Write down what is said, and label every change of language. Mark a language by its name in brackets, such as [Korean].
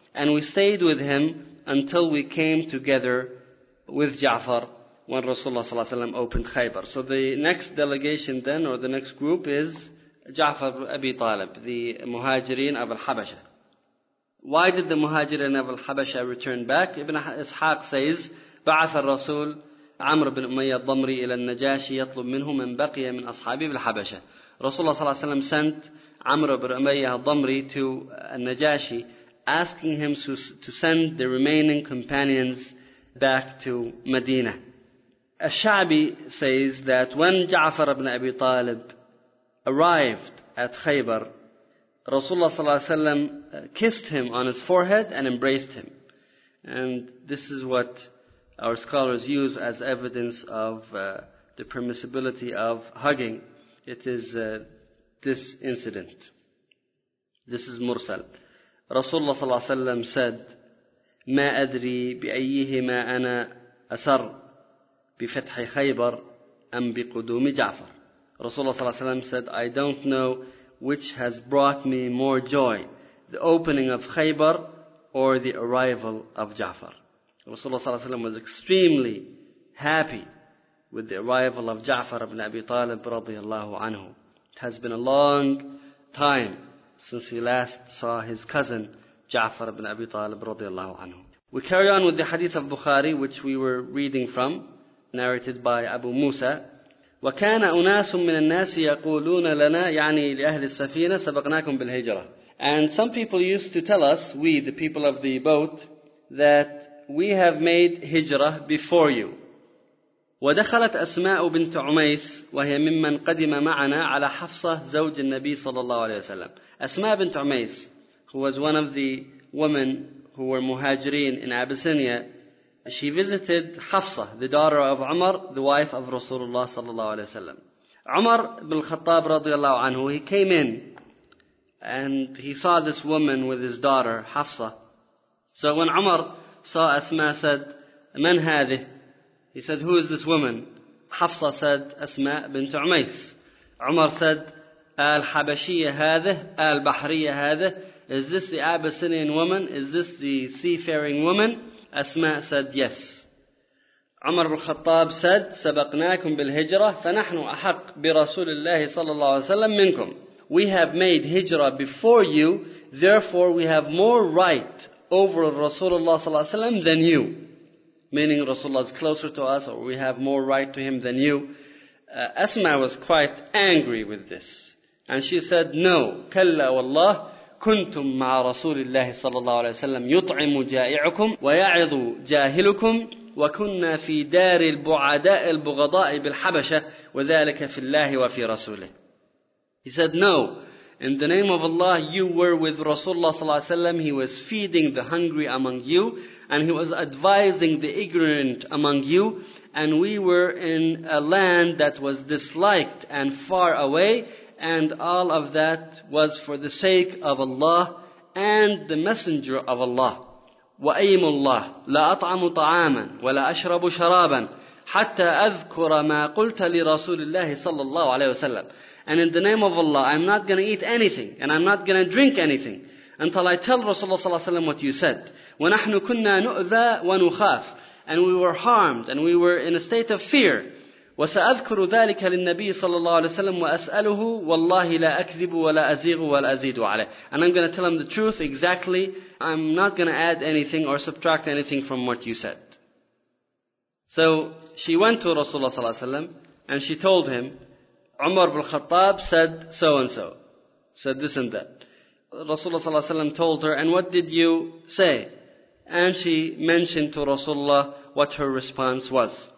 [English] And we stayed with him until we came together with Ja'far when Rasulullah صلى الله عليه وسلم opened Khaybar. So the next delegation then, or the next group, is Ja'far ibn Abi Talib, the Muhajirin of Al-Habasha. Why did the Muhajirin of Al-Habasha return back? Ibn Ishaq says, [Arabic] بعث الرسول عمرو بن أمية الضمري إلى النجاشي يطلب منه من بقي من أصحابه بالحبشة. [English] Rasulullah صلى الله عليه وسلم sent عمرو بن أمية الضمري to النجاشي, asking him to send the remaining companions back to Medina. الشعبي says that when جعفر بن أبي طالب arrived at Khaybar, Rasulullah صلى الله عليه وسلم kissed him on his forehead and embraced him. And this is what our scholars use as evidence of the permissibility of hugging. It is this incident. This is Mursal. Rasulullah صلى الله عليه وسلم said, [Arabic] ما أدري بأيهما أنا أسر بفتح خيبر أم بقدوم جعفر. [English] Rasulullah صلى الله عليه وسلم said, I don't know which has brought me more joy, the opening of Khaybar or the arrival of Ja'far. Rasulullah صلى الله عليه وسلم was extremely happy with the arrival of Ja'far ibn Abi Talib رضي الله عنه. It has been a long time since he last saw his cousin Ja'far ibn Abi Talib رضي الله عنه. We carry on with the hadith of Bukhari, which we were reading from, narrated by Abu Musa. [Arabic] وكان أناس من الناس يقولون لنا, يعني لأهل السفينة, سبقناكم بالهجرة. [English] And some people used to tell us, we, the people of the boat, that we have made hijrah before you. [Arabic] ودخلت أسماء بنت عميس وهي ممن قدم معنا على حفصة زوج النبي صلى الله عليه وسلم. [English] أسماء بنت عميس, who was one of the women who were muhajirin in Abyssinia, she visited Hafsa, the daughter of Umar, the wife of Rasulullah sallallahu alayhi wa sallam. Umar ibn al-Khattab radiallahu anhu, he came in and he saw this woman with his daughter, Hafsa. So when Umar saw Asma, said, [Arabic] Man hadith? [English] He said, Who is this woman? Hafsa said, Asma bint Umays. Umar said, [Arabic] Al-Habashiyya hadith, Al-Bahriyya hadith. [English] Is this the Abyssinian woman? Is this the seafaring woman? Asma said, Yes. Umar ibn al-Khattab said, [Arabic] سبقناكم بالهجرة فنحن أحق برسول الله صلى الله عليه وسلم منكم. [English] We have made hijrah before you, therefore we have more right over Rasulullah صلى الله عليه وسلم than you. Meaning Rasulullah is closer to us, or we have more right to him than you. Asma was quite angry with this. And she said, No, [Arabic] كلا والله. كنتم مع رسول الله صلى الله عليه وسلم يطعم جائعكم ويعظ جاهلكم وكنا في دار البعداء البغضاء بالحبشة وذلك في الله وفي رسوله. [English] He said, No, in the name of Allah, you were with Rasulullah صلى الله عليه وسلم. He was feeding the hungry among you, and he was advising the ignorant among you, and we were in a land that was disliked and far away. And all of that was for the sake of Allah and the Messenger of Allah. [Arabic] وأيم الله لا أطعم طعاما ولا أشرب شرابا حتى أذكر ما قلت لرسول الله صلى الله عليه وسلم. [English] And in the name of Allah, I'm not going to eat anything and I'm not going to drink anything until I tell Rasulullah صلى الله عليه وسلم what you said. [Arabic] ونحن كنا نؤذى ونخاف. [English] And we were harmed and we were in a state of fear. [Arabic] وسأذكر ذلك للنبي صلى الله عليه وسلم وأسأله والله لا أكذب ولا أزيغ ولا أزيد عليه. [English] And I'm going to tell him the truth exactly. I'm not going to add anything or subtract anything from what you said. So she went to Rasulullah صلى الله عليه وسلم and she told him, Umar ibn al-Khattab said so and so, said this and that. Rasulullah صلى الله عليه وسلم told her, And what did you say? And she mentioned to Rasulullah what her response was.